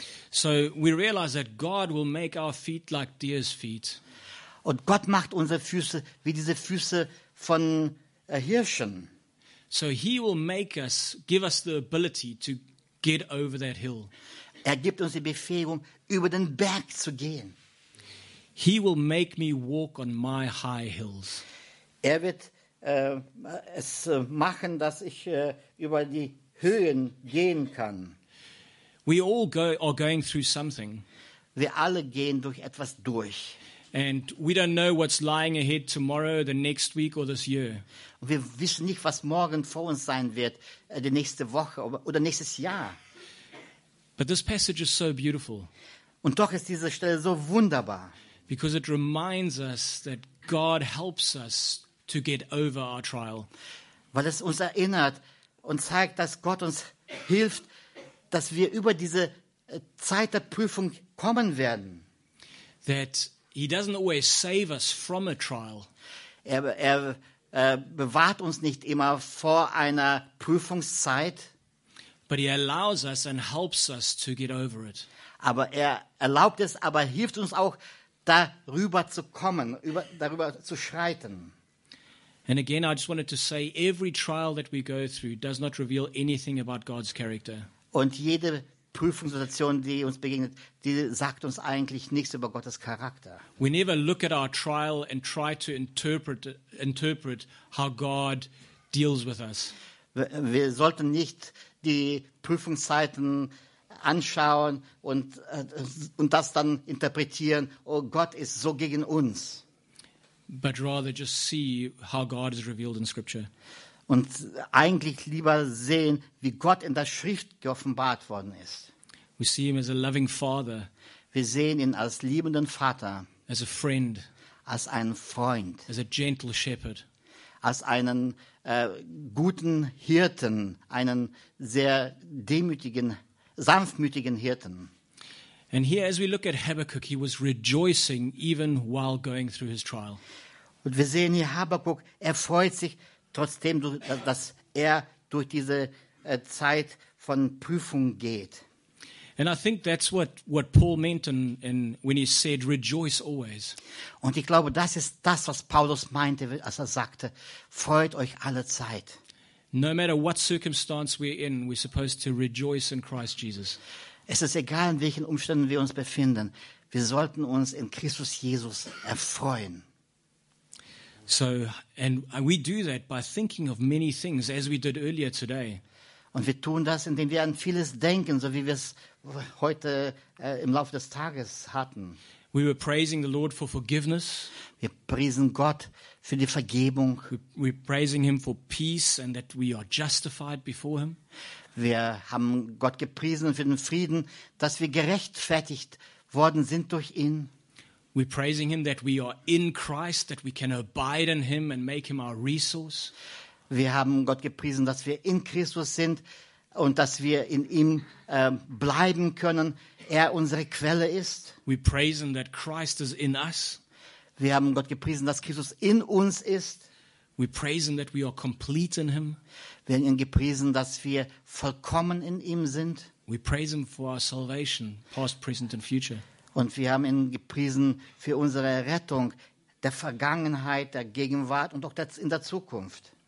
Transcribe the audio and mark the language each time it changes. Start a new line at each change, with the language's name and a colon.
English: So we realize that God will make our feet like deer's feet.
German: Und Gott macht unsere Füße wie diese Füße von Hirschen.
English: So he will make us, give us the ability to get over that hill.
German: Er gibt uns die Befähigung, über den Berg zu gehen.
English: He will make me walk on my high hills.
German: Er wird es machen, dass ich über die Höhen gehen kann.
English: We all are going through something.
German: Wir alle gehen durch etwas durch.
English: And we don't know what's lying ahead tomorrow, the next week or this year.
German: Wir wissen nicht, was morgen vor uns sein wird, die nächste Woche oder nächstes Jahr.
English: But this passage is so beautiful.
German: Und doch ist diese Stelle so wunderbar.
English: Because it reminds us that God helps us to get over our trial.
German: Weil es uns erinnert und zeigt, dass Gott uns hilft, dass wir über diese Zeit der Prüfung kommen werden.
English: That he doesn't always save us from a trial.
German: Er bewahrt uns nicht immer vor einer Prüfungszeit.
English: But he allows us and helps us to get over it.
German: Aber er erlaubt es, aber hilft uns auch, darüber zu kommen, darüber zu schreiten.
English: And again, I just wanted to say, every trial that we go through does not reveal anything about God's character.
German: Und jede Prüfungssituation, die uns begegnet, die sagt uns eigentlich nichts über Gottes Charakter.
English: We never look at our trial and try to interpret how God deals with us.
German: Wir sollten nicht die Prüfungszeiten anschauen und das dann interpretieren, oh, Gott ist so gegen uns.
English: But rather just see how God is revealed in Scripture.
German: Und eigentlich lieber sehen, wie Gott in der Schrift geoffenbart worden ist.
English: We see him as a loving father.
German: Wir sehen ihn als liebenden Vater.
English: As a friend.
German: Als einen Freund.
English: As a gentle shepherd.
German: Als einen guten Hirten, einen sehr demütigen, sanftmütigen Hirten.
English: And here, as we look at Habakkuk, he was rejoicing even while going through his trial.
German: Und wir sehen hier Habakkuk, er freut sich trotzdem, dass er durch diese Zeit von Prüfung geht.
English: And I think that's what Paul meant in when he said rejoice always.
German: Und ich glaube, das ist das, was Paulus meinte, als er sagte, freut euch alle Zeit.
English: No matter what circumstance we're in, we're supposed to rejoice in Christ Jesus.
German: Es ist egal, in welchen Umständen wir uns befinden. Wir sollten uns in Christus Jesus erfreuen.
English: So, and we do that by thinking of many things, as we did earlier today.
German: Und wir tun das, indem wir an vieles denken, so wie wir es heute im Laufe des Tages hatten.
English: We were praising the Lord for forgiveness.
German: Wir priesen Gott für die Vergebung.
English: We're praising him for peace and that we are justified before him.
German: Wir haben Gott gepriesen für den Frieden, dass wir gerechtfertigt worden sind durch ihn.
English: We're praising him that we are in Christ, that we can abide in him and make him our resource.
German: Wir haben Gott gepriesen, dass wir in Christus sind und dass wir in ihm bleiben können. Er unsere Quelle ist.
English: We praise him that Christ is in us.
German: Wir haben Gott gepriesen, dass Christus in uns ist.
English: We praise him that we are complete in him.
German: Wir haben ihn gepriesen, dass wir vollkommen in ihm sind.
English: We praise him for our salvation, past, present and future.
German: Und wir haben ihn gepriesen für unsere Rettung der Vergangenheit, der Gegenwart und auch in der Zukunft.